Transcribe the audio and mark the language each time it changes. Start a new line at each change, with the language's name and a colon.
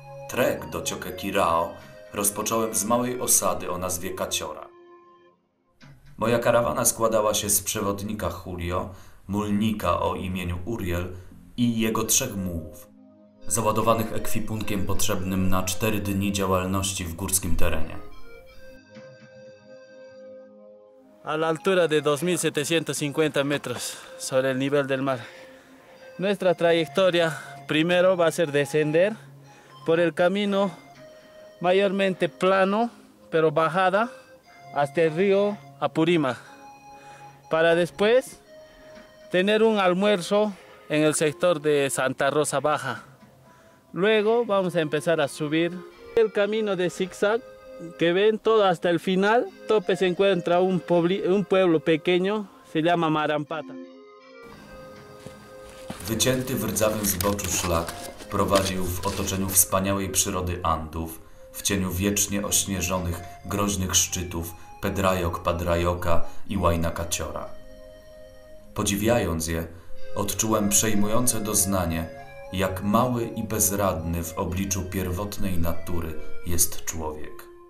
Polish: Trek do Choqquequirao rozpocząłem z małej osady o nazwie Kaciora. Moja karawana składała się z przewodnika Julio, mulnika o imieniu Uriel i jego trzech mułów, załadowanych ekwipunkiem potrzebnym na 4 dni działalności w górskim terenie.
Spanish: A la altura de 2750 metros sobre el nivel del mar. Nuestra trayectoria primero va a ser descender por el camino mayormente plano, pero bajada hasta el río Apurímac. Para después tener un almuerzo en el sector de Santa Rosa Baja. Luego vamos a empezar a subir el camino de zigzag. Que ven todo hasta el final, tope se encuentra un pueblo pequeño, se llama Marampata.
Polish: Wycięty w rdzawym zboczu szlak prowadził w otoczeniu wspaniałej przyrody Andów, w cieniu wiecznie ośnieżonych, groźnych szczytów Pedrajok, Padrajoka i Łajna Kaciora. Podziwiając je, odczułem przejmujące doznanie, jak mały i bezradny w obliczu pierwotnej natury jest człowiek.